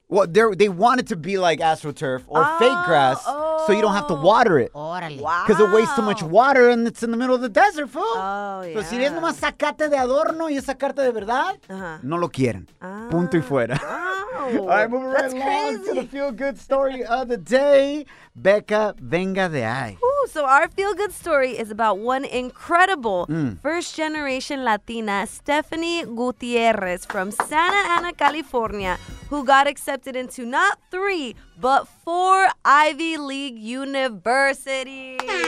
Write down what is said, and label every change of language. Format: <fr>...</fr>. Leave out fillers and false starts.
<en>Well, they want it to be like AstroTurf or fake grass so you don't have to water it.</en> <es>Órale.</es> <en>Wow. Because it wastes too much water and it's in the middle of the desert, fool. Oh, yeah. So</en> <es>si eres nomás sacate de adorno y es sacate de verdad, no lo quieren. Punto y fuera.</es> <en>Wow. All right, moving that's right crazy. Along to the feel-good story of the day.</en> <es>Becca, venga de ahí.</es> <en>Ooh, so our feel-good story is about one incredible first-generation Latina, Stephanie Gutierrez from Santa Ana, California, who got accepted into not three, but four Ivy League universities.</en>